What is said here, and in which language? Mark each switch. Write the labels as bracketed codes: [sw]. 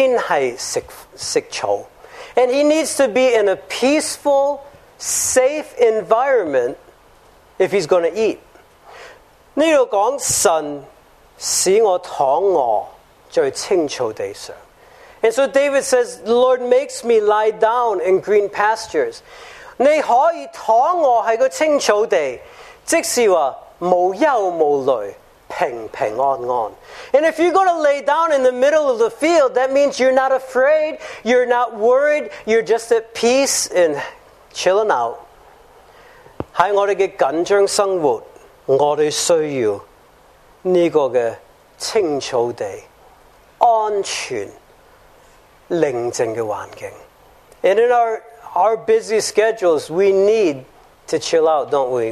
[zh] 他一定要在一个安全平静的环境才吃草。 [en] And he needs to be in a peaceful, safe environment if he's going to eat. [zh] 这里说神使我躺卧在青草地上。 [en] And so David says, the Lord makes me lie down in green pastures. [zh] 你可以躺卧在青草地, 即是说无忧无虑, 平平安安。 [en] And if you're going to lay down in the middle of the field, that means you're not afraid, you're not worried, you're just at peace and chilling out. [zh] 在我们的紧张生活, 我们需要这个青草地, 安全, 宁静的环境。 [en] And in our busy schedules, we need to chill out, don't we?